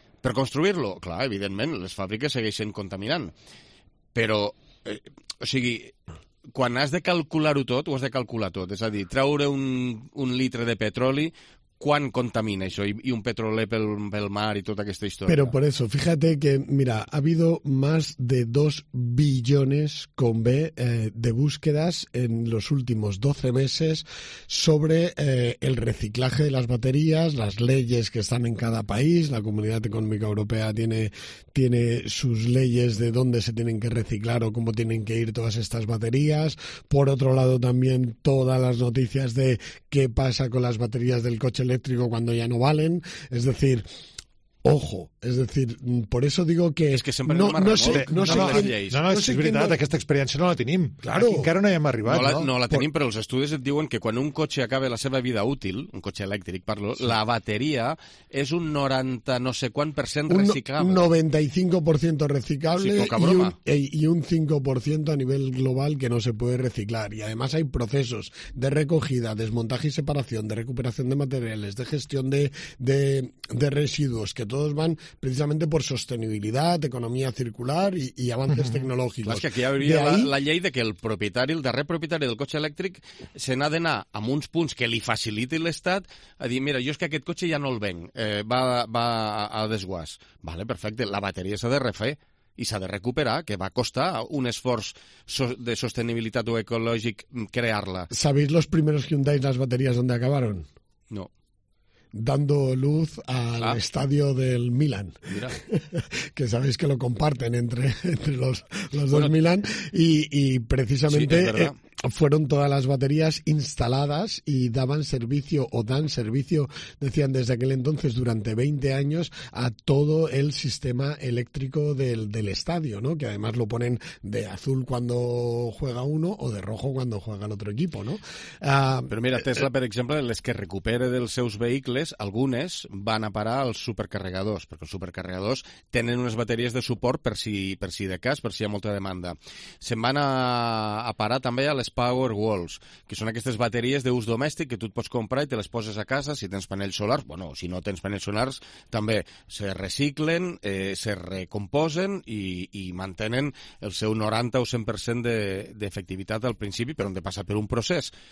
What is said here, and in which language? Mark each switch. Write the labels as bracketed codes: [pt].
[ca] Per construir-lo, clar, evidentment, les fàbriques segueixen contaminant. Però, o sigui... Quan has de calcular-ho tot, ho has de calcular tot. És a dir, treure un litre de petroli, quan contamina això? I un petroler pel mar i tota aquesta història. Però per això, [es] fíjate que, mira, ha habido más de 2 billones con B de búsquedas en los últimos 12 meses sobre el reciclaje de las baterías, las leyes que están en cada país. La Comunidad Económica Europea tiene sus leyes de dónde se tienen que reciclar o cómo tienen que ir todas estas baterías. Por otro lado, también todas las noticias de qué pasa con las baterías del coche eléctrico cuando ya no valen. Es decir, ojo, es decir, por eso digo que... Es que siempre no sé, es verdad, no... esta experiencia no la tenim. Claro. [ca] Aquí encara no hi hem arribat, no? No la tenim, però els estudis et diuen que quan un cotxe acaba la seva vida útil, un cotxe elèctric, parlo, sí, la bateria és un 90 no sé quant per cent reciclable. Un 95% reciclable, sí, poca broma. [es] Y un 5% a nivel global que no se puede reciclar. Y además hay procesos de recogida, desmontaje y separación, de recuperación de materiales, de gestión de residuos, que todos van precisamente por sostenibilidad, economía circular y avances tecnológicos. [ca] Clar, és que aquí hi hauria la llei de que el darrer propietari del cotxe elèctric se n'ha d'anar amb uns punts que li faciliti l'Estat a dir, mira, jo és que aquest cotxe ja no el venc, va a desguàs. Vale, perfecte, la bateria s'ha de refer. i s'ha de recuperar, que va costar un esforç de sostenibilitat o ecològic crear-la. [es] ¿Sabéis los primeros Hyundai, las baterías, dónde acabaron? No. Dando luz al estadio del Milan. Mira. Que sabéis que lo comparten entre los dos Milan. Y precisamente fueron todas las baterías instaladas y daban servicio, o dan servicio, decían desde aquel entonces, durante 20 años, a todo el sistema eléctrico del estadio, ¿no? Que además lo ponen de azul cuando juega uno o de rojo cuando juega el otro equipo, ¿no? Pero mira, [ca] Tesla, per exemple, les que recupere dels seus vehicles, algunes van a parar als supercarregadors, perquè els supercarregadors tenen unes bateries de suport per si de cas, per si hi ha molta demanda. Se'n van a parar també a les Power Walls, que són aquestes bateries d'ús domèstic que tu et pots comprar i te les poses a casa si tens panells solars, bueno, si no tens panells solars, també se reciclen, se recomposen i mantenen el seu 90 o 100% d'efectivitat al principi, però han de passar per un procés.